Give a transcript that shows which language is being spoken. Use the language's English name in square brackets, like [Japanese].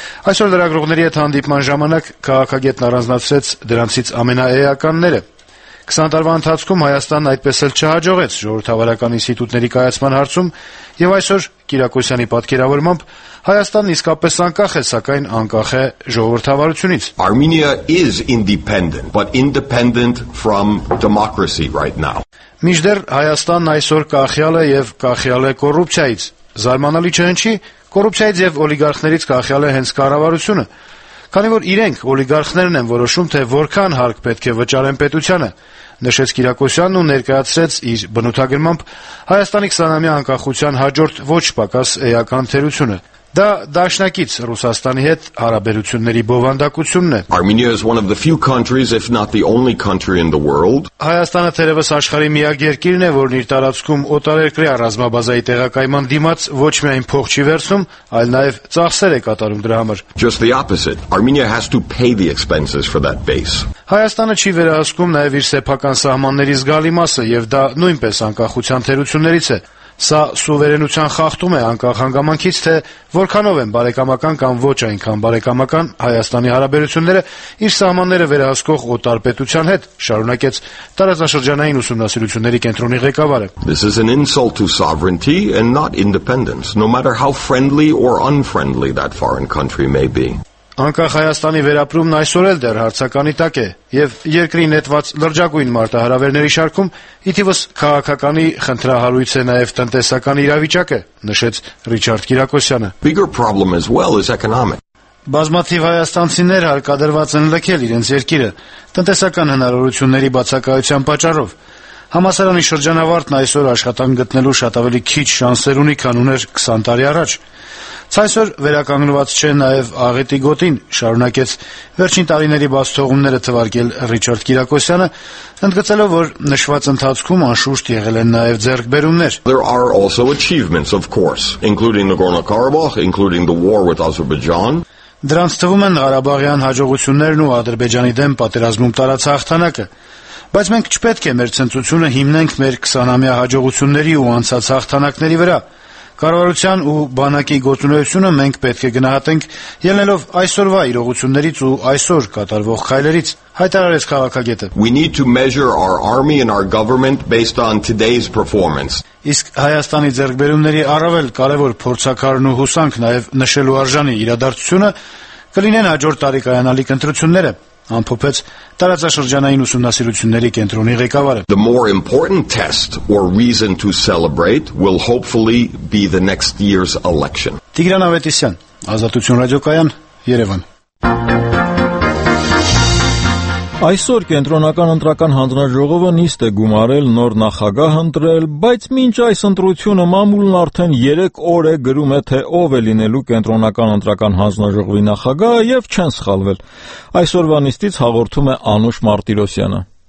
[Armenian] Այսօր լրագրողների հետ հանդիպման ժամանակ քաղաքագետն առանձնացրեց դրանցից ամենաէականները։ 20 տարվա ընթացքում Հայաստանն այդպես էլ չհաջողեց ժողովրդավարական ինստիտուտների կայացման հարցում, եւ այսօր Գիրակոսյանի պատկերավորմամբ Հայաստանն իսկապես անկախ է, սակայն անկախ է ժողովրդավարությունից։ [English] Armenia is independent, but independent from democracy right now. [Armenian] Միջդեռ Հայաստանն այսօր կախյալ է եւ կախյալ է կոռուպցիայից։ Զարմանալի չէ ինչի, կոռուպցիայից եւ օլիգարխներից կախյալ է հենց կառավարությունը։ Քանի որ իրենք օլիգարխներն են որոշում, թե որքան հարկ պետք է վճարեն պետությանը, նշեց Գիրակոսյանն ու ներկայացրեց իր բնութագրմամբ Հայաստանի 20-ամյա անկախության հաջորդ ոչ պակաս էական թերությունը։ Դա դաշնակից Ռուսաստանի հետ հարաբերությունների բովանդակությունն է։ [English] Armenia is one of the few countries, if not the only country in the world. [Armenian] Հայաստանը թերևս աշխարհի միակ երկիրն է, որն իր տարածքում օտարերկրյա ռազմաբազայի տեղակայման դիմաց ոչ միայն փող չի վերցնում, այլ նաև ծախսեր է կատարում դրա համար։ [English] Just the opposite. Armenia has to pay the expenses for that base. [Armenian] Հայաստանը չի վերահսկում նաև իր սեփական սահմանների զգալի մասը, եւ դա նույնպես անկախության թերություններից է։ Սա սուվերենության խախտում է անկախ հանգամանքից, թե որքանով են բարեկամական կամ ոչ այնքան բարեկամական Հայաստանի հարաբերությունները իր սահմանները վերահսկող օտար պետության հետ, շարունակեց տարածաշրջանային ուսումնասիրությունների կենտրոնի ղեկավարը։ [English] This is an insult to sovereignty and not independence, no matter how friendly or unfriendly that foreign country may be. [Armenian] Անկախ Հայաստանի վերապրումն այսօր էլ դեռ հարցականի տակ է, եւ երկրի նետված լրջագույն մարտահրավերների շարքում իթիվս քաղաքականի խնդրահարույց է նաեւ տնտեսական իրավիճակը, նշեց Ռիչարդ Կիրակոսյանը. [English] Bigger problem as well is economic. [Armenian] Բազմաթիվ հայաստանցիներ հարկադրված են լքել իրենց երկիրը տնտեսական հնարավորությունների բացակայության պատճառով. Համասարանի շրջանավարտն այսօր աշխատանք գտնելու շատ ավելի քիչ շանսեր ունի, քան ուներ 20 տարի առաջ. Ցայսօր վերականգնված չէ նաև աղետի գոտին, շարունակեց վերջին տարիների բացթողումները թվարկել Ռիչարդ Կիրակոսյանը, ընդգծելով, որ նշված ընթացքում անշուշտ եղել են նաև ձեռքբերումներ. [English] There are also achievements, of course, including Nagorno-Karabakh, including the war with Azerbaijan. [Armenian] Դրանց թվում են Ղարաբաղյան հաջողություններն ու Ադրբեջանի դեմ պատերազմում տարած հաղթանակը. Բայց մենք չպետք է մեր ցնծությունը հիմնենք մեր 20-ամյա հաջողությունների ու անցած հաղթանակների վրա. Կառավարության ու բանակի գործունեությունը մենք պետք է գնահատենք ելնելով այսօրվա իրողություններից ու այսօր կատարվող քայլերից, հայտարարեց քաղաքագետը. [English] We need to measure our army and our government based on today's performance. [Armenian] Իսկ Հայաստանի ձեռքբերումների առավել կարևոր փորձակարն ու հուսանք նաև նշելու արժանի իրադարձությունը կլինեն հաջորդ տարի կայանալիք ընտրությունները, ամփոփեց տարածաշրջանային ուսումնասիրությունների կենտրոնի ղեկավարը. [English] The more important test or reason to celebrate will hopefully be the next year's election. [Armenian] Տիգրան Ավետիսյան, Ազատություն ռադիոկայան, Երևան. Այսօր կենտրոնական ընտրական հանձնաժողովը նիստ է գումարել նոր նախագահ ընտրել, բայց մինչ այս ընտրությունը մամուլն արդեն 3 օր է գրում է, թե ով է լինելու կենտրոնական ընտրական հանձնաժողովի նախագահը, եւ չեն սխալվել։ Այսօրվա նիստից հաղորդում է Անուշ Մարտիրոսյանը։